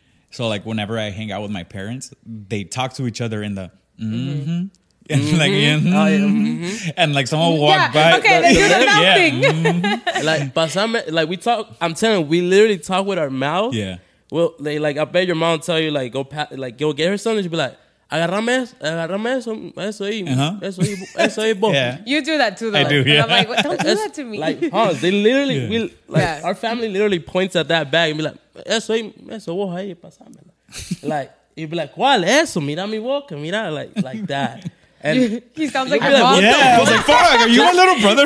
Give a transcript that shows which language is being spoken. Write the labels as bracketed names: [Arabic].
[English] So, like, whenever I hang out with my parents, they talk to each other in the, and like, and like someone walk by. Okay, they do the mouth thing. Like, pasame, like we talk, I'm telling you, we literally talk with our mouth. Yeah. Well, they, like, I bet your mom tell you, like, go pat, like go get her something. She'll be like, [Spanish] agarrame eso, eso ahí, eso ahí, [English] you do that too, though. I do, and I'm like, don't do that to me. Like, huh, they literally, we, like, our family literally points at that bag and be like, [Spanish] eso ahí, eso, oh, ahí, pasame. [English] Like, you'd be like, [Spanish] ¿cuál eso? Mira mi boca, mira, [English] like that. And he sounds like a mom. Yeah, I was like, fuck, are you a little brother?